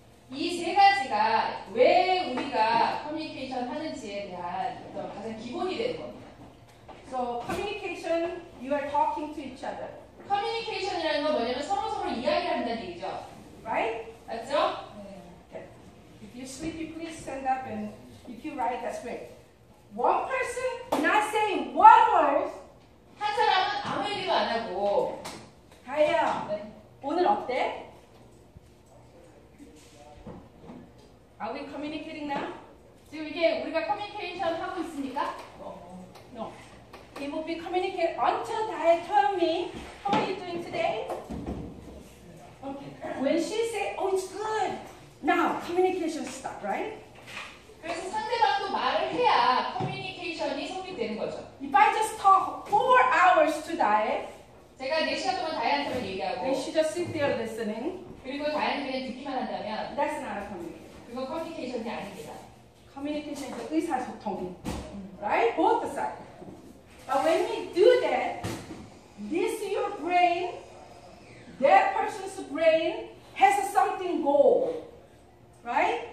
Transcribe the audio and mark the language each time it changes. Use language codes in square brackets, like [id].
[ko] 이 3가지가 왜 우리가 커뮤니케이션 하는지에 대한 어떤 가장 기본이 되는 겁니다. [en] So communication, you are talking to each other. [ko] 커뮤니케이션이라는 건 뭐냐면 서로 이야기를 한다는 얘기죠. [en] Right? [ko] 맞죠? 네. [en] Okay. If you're sleepy, please stand up and if you write, that's great. One person not saying one word. [ko] 한 사람은 아무 얘기도 안 하고. 하야, 네. 오늘 어때? [en] Are we communicating now? [ko] 지금 이게 우리가 커뮤니케이션 하고 있습니까? [en] No. It will be communicated until they tell me how are you doing today? Okay. When she say, oh, it's good. Now, communication stop, right? [ko] 그래서 상대방도 말을 해야 커뮤니케이션이 성립되는 거죠. [en] If I just talk 4 hours to Diet, [ko] 제가 4시간 동안 다이한테만 얘기하고, [en] and she just sit there listening, [ko] 그리고 다이한테 그냥 듣기만 한다면, [en] that's not a communication. [ko] 그거 커뮤니케이션이 아닙니다. [en] Communication is 의사소통, right? Both sides. But when we do that, this your brain, that person's brain has something goal, right?